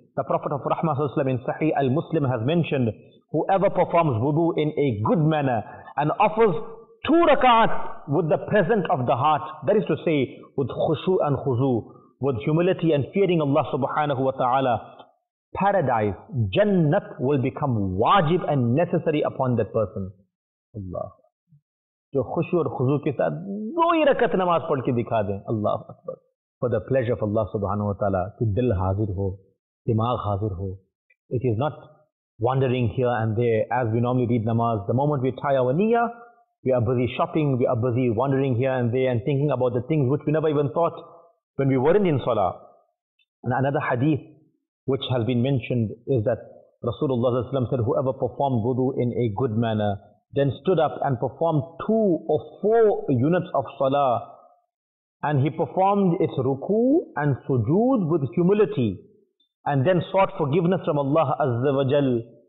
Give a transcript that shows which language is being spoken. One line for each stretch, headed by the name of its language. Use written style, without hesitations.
English: The Prophet of Rahmah sallallahu alaihi wasallam in Sahih al-Muslim has mentioned, whoever performs wudu in a good manner and offers two rakats with the present of the heart, that is to say, with khushu and khuzu, with humility and fearing Allah subhanahu wa ta'ala, paradise, jannat, will become wajib and necessary upon that person.
Arabic: Allah.
Urdu: جو خشوع اور خضوع کے ساتھ دو ہی رکعت نماز پڑھ کے دکھا دیں. اللہ اکبر.
English: For the pleasure of Allah
Urdu: سبحانہ وتعالی, کہ دل حاضر ہو, دماغ حاضر ہو.
English: It is not wandering here and there as we normally read namaz. The moment we tie our niyyah, we are busy shopping, we are busy wandering here and there and thinking about the things which we never even thought when we weren't in salah. And another hadith which has been mentioned is that Rasulullah صلی اللہ علیہ وسلم said, whoever performed wudu in a good manner then stood up and performed two or four units of salah, and he performed its ruku and sujood with humility, and then sought forgiveness from Allah Azza wa Jal.